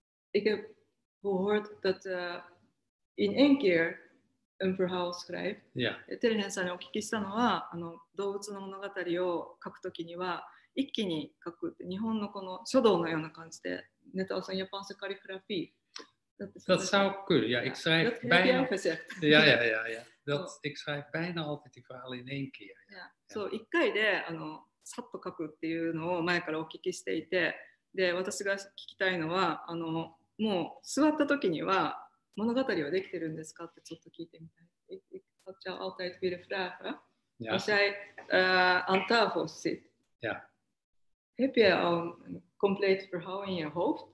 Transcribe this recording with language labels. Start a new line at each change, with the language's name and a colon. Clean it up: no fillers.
Dutch: Ik heb gehoord dat in één keer een verhaal schrijft. Yeah.
Japanese: テレヘンさんにお聞きしたのは、動物の物語を書くときには、一気に書く、日本のこの書道のような感じで、
Dutch: net als een Japanse kalligrafie. Dat zou kunnen, ja. Ik schrijf dat bijna. Dat heb je gezegd. Ja. Dat, ik schrijf bijna altijd die verhalen in één keer.
Japanese: Zo, ik kan je さっと書くっていうのを前からお聞きしていて、 で、私が聞きたいのは、もう座った時には物語はできてるんですかってちょっと聞いてみたい。
Dutch: Ik had jou altijd willen vragen. Ja. Als jij aan tafel zit, ja. Heb jij al een compleet verhaal in je hoofd?